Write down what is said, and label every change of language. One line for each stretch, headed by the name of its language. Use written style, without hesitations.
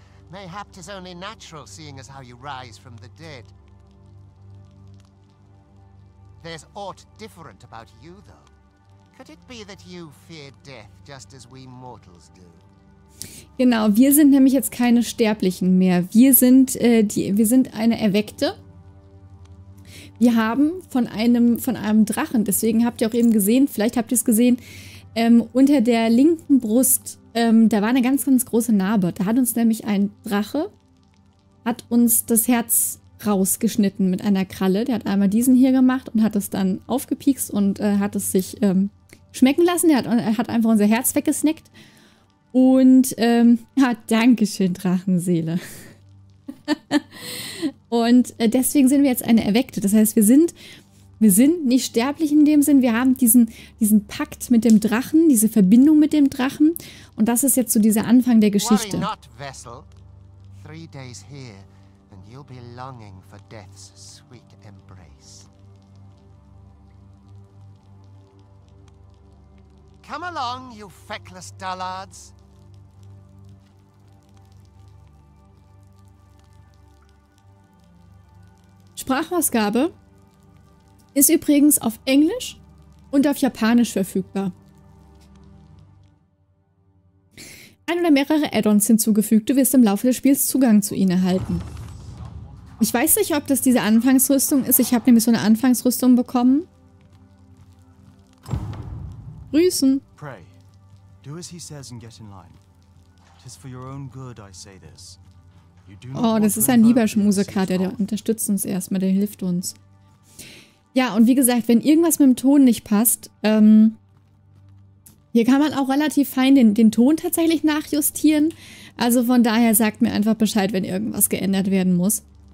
English: Mayhap 'tis only natural seeing as how you rise from the dead. There's aught different about you, though. Could it be that you fear death just as we mortals do?
German: Genau, wir sind nämlich jetzt keine Sterblichen mehr. Wir sind eine Erweckte. Wir haben von einem Drachen, deswegen habt ihr auch eben gesehen, vielleicht habt ihr es gesehen, unter der linken Brust, da war eine ganz, ganz große Narbe. Da hat uns nämlich ein Drache, hat uns das Herz rausgeschnitten mit einer Kralle. Der hat einmal diesen hier gemacht und hat es dann aufgepiekst und hat es sich schmecken lassen. Er hat einfach unser Herz weggesnackt. Und Dankeschön, Drachenseele. Und deswegen sind wir jetzt eine Erweckte. Das heißt, wir sind nicht sterblich in dem Sinn. Wir haben diesen Pakt mit dem Drachen, diese Verbindung mit dem Drachen. Und das ist jetzt so dieser Anfang der Geschichte.
English: Worry not, Vessel. 3 days here and you'll be longing for death's sweet embrace. Come along, you feckless dullards.
German: Sprachausgabe ist übrigens auf Englisch und auf Japanisch verfügbar. Ein oder mehrere Add-ons hinzugefügt, du wirst im Laufe des Spiels Zugang zu ihnen erhalten. Ich weiß nicht, ob das diese Anfangsrüstung ist. Ich habe nämlich so eine Anfangsrüstung bekommen. Grüßen.
English: Pray. Do as he says and get in line. 'Tis for your own good, I say this.
German: Oh, das ist ein lieber Schmusekater, der unterstützt uns erstmal, der hilft uns. Ja, und wie gesagt, wenn irgendwas mit dem Ton nicht passt, hier kann man auch relativ fein den Ton tatsächlich nachjustieren. Also von daher sagt mir einfach Bescheid, wenn irgendwas geändert werden muss.